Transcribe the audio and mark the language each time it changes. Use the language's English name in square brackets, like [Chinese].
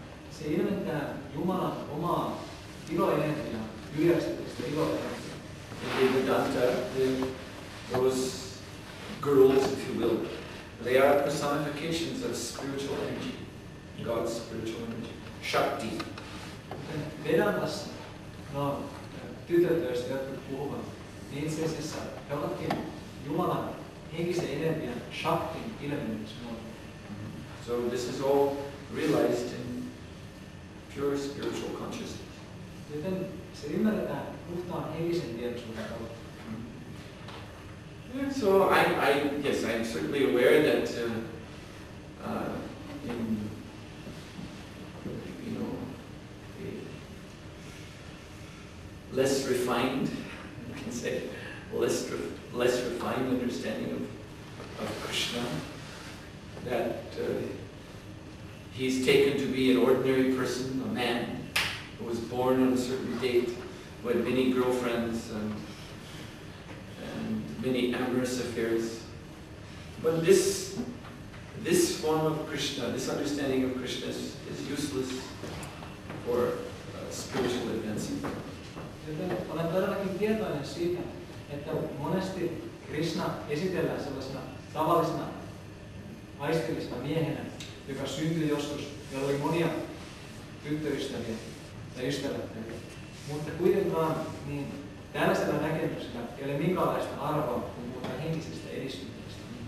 [Finnish] Se ilmentää Jumalan omaa iloenergiaa, yliasteellista iloenergiaa. [English] The Vedanta, those girls, if you will, they are personifications of spiritual energy, God's spiritual energy, Shakti. [Finnish] Vedantassa, no, tytöt, joista jotkut puhuvat, niin itse asiassa he ovatkin Jumalan henkisen energian shaktin ilmennyksen muodon. [English] So this is all realized in pure spiritual consciousness. [Finnish] Joten se ymmärretään puhtaan henkisen tietoisuuden kautta. [English] And so I'm certainly aware that in a less refined, you can say, less refined understanding of Krishna, that he's taken to be an ordinary person, a man who was born on a certain date, who had many girlfriends and many amorous affairs. But this form of Krishna, this understanding of Krishna is useless for spiritual advancement. [Finnish] Olen todellakin tietoinen siitä, että monesti Krishna esitellään sellaisena tavallisena aistillisena miehenä, joka syntyi joskus, jolla oli monia tyttöystäviä tai ystävättäviä. Mutta kuitenkaan niin tällaisella näkemyksellä ei ole minkäänlaista arvoa, kun puhutaan henkisestä edistymisestä.